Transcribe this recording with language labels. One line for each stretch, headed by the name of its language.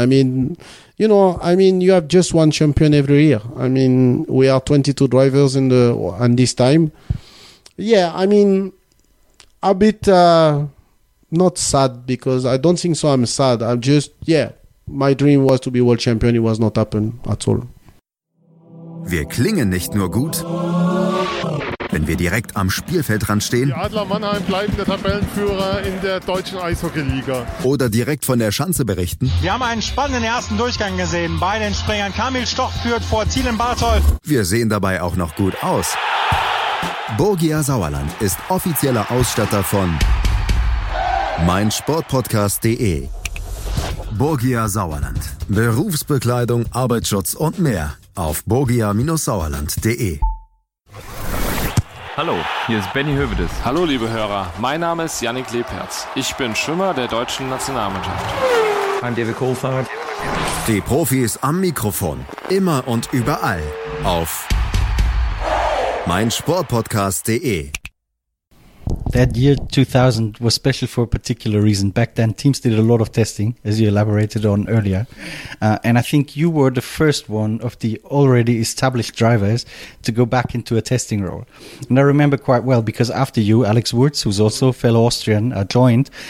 English: I mean, you know, I mean, you have just one champion every year. I mean, we are 22 drivers in the and this time. Yeah, I mean, a bit not sad, because I don't think so. I'm sad. I'm just, yeah, my dream was to be world champion. It was not happen at all.
German: Wir klingen nicht nur gut, wenn wir direkt am Spielfeldrand stehen. Die Adler Mannheim bleiben der Tabellenführer in der deutschen Eishockeyliga. Oder direkt von der Schanze berichten. Wir haben einen spannenden ersten Durchgang gesehen bei den Springern. Kamil Stoch führt vor Zielen Barthol. Wir sehen dabei auch noch gut aus. Borgia Sauerland ist offizieller Ausstatter von meinsportpodcast.de. Borgia Sauerland. Berufsbekleidung, Arbeitsschutz und mehr auf borgia-sauerland.de. Hallo, hier ist Benny Hövedes. Hallo, liebe Hörer, mein Name ist Yannick Lebherz. Ich bin Schwimmer der deutschen Nationalmannschaft.
English: I'm David Coulthard.
German: Die Profis am Mikrofon, immer und überall auf meinsportpodcast.de.
English: That year 2000 was special for a particular reason. Back then, teams did a lot of testing, as you elaborated on earlier. And I think you were the first one of the already established drivers to go back into a testing role. And I remember quite well, because after you, Alex Wurz, who's also a fellow Austrian, joined.